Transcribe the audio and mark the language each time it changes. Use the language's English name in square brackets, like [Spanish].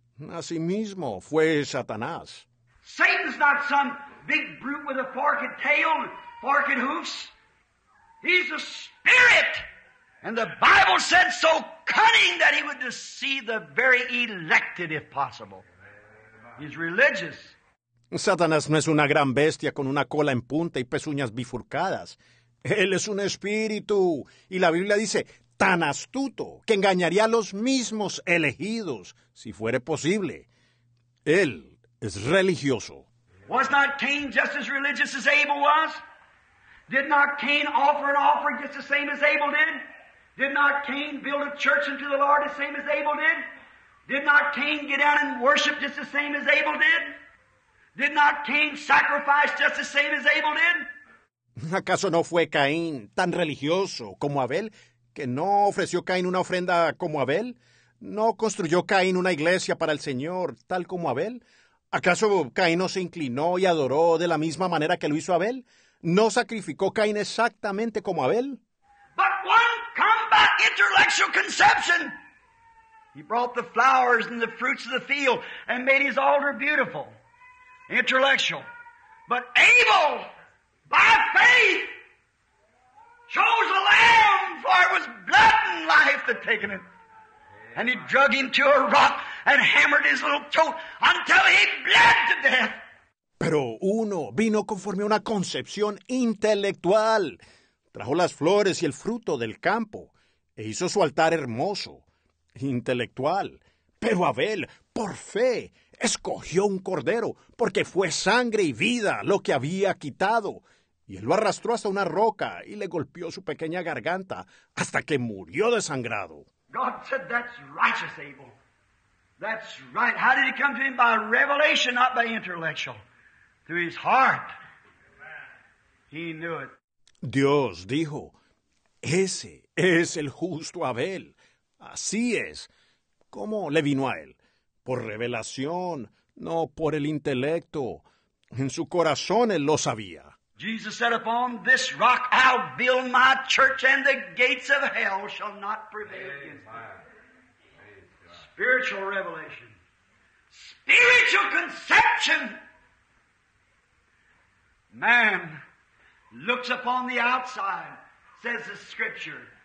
[Spanish] Asimismo, fue Satanás. [English] Satan's not some big brute with a forked tail, forked hoofs. He's a spirit. And the Bible said so cunning that he would deceive the very elected if possible. He's religious. [Spanish] Satanás no es una gran bestia con una cola en punta y pezuñas bifurcadas. Él es un espíritu. Y la Biblia dice, tan astuto que engañaría a los mismos elegidos, si fuere posible. Él es religioso. [English] Was not Cain just as religious as Abel was? Did not Cain offer an offering just the same as Abel did? Did not Cain build a church unto the Lord the same as Abel did? Did not Cain get down and worship just the same as Abel did? Did not Cain sacrifice just the same as Abel did? [Spanish] ¿Acaso no fue Caín tan religioso como Abel, que no ofreció Caín una ofrenda como Abel? ¿No construyó Caín una iglesia para el Señor tal como Abel? ¿Acaso Caín no se inclinó y adoró de la misma manera que lo hizo Abel? ¿No sacrificó Caín exactamente como Abel? [English] But one come by intellectual conception. He brought the flowers and the fruits of the field and made his altar beautiful. Intellectual. But Abel, by faith, chose a lamb, for it was blood and life that taken it. And he drug him to a rock and hammered his little throat until he bled to death. [Spanish] Pero uno vino conforme a una concepción intelectual. Trajo las flores y el fruto del campo e hizo su altar hermoso. Intelectual. Pero Abel, por fe, escogió un cordero, porque fue sangre y vida lo que había quitado. Y él lo arrastró hasta una roca y le golpeó su pequeña garganta hasta que murió desangrado. [English] God said, that's righteous, Abel. That's right. How did he come to him? By revelation, not by intellectual. Through his heart. He knew it. [Spanish] Dios dijo, ese es el justo Abel. Así es. ¿Cómo le vino a él? Por revelación, no por el intelecto. En su corazón él lo sabía. [English] Jesus said, upon this rock I'll build my church and the gates of hell shall not prevail against it. Spiritual revelation. Spiritual conception. Man looks upon the outside, says the scripture.